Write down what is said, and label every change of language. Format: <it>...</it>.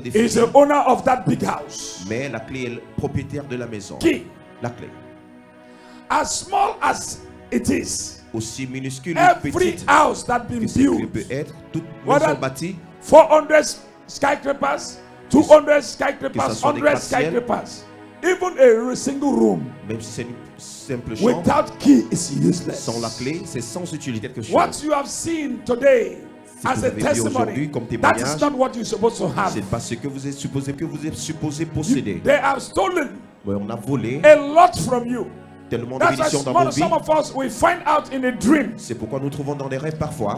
<en>défini, is the owner of that big house.</en> <fr>Mais la clé est le propriétaire de la maison. Qui? La clé.</fr> <en>As small as it is,</en> <fr>aussi minuscule</fr> <en>every</en> <fr>petite,</fr> <en>house that been built,</en> <fr>peut être, toute maison bâtie,</fr> <en>400 skyscrapers, 200 skyscrapers, 100 skyscrapers, even a single room,</en> <fr>même si c'est une simple</fr> <en>chambre, without key is useless.</en> <fr>Sans la clé, c'est sans utilité que chose.</fr> <en>What you have seen today as a testimony, that is not what you're supposed to have.</en> <fr>C'est pas ce que vous êtes supposé posséder.</fr> <en>They have stolen</en> <fr>on a volé</fr> <en>a lot from you.</en> <fr>tellement de bénédictions dans nos vies.</fr> <en>Some of us, we find out in a dream.</en> <fr>C'est pourquoi nous trouvons dans les rêves parfois.</fr>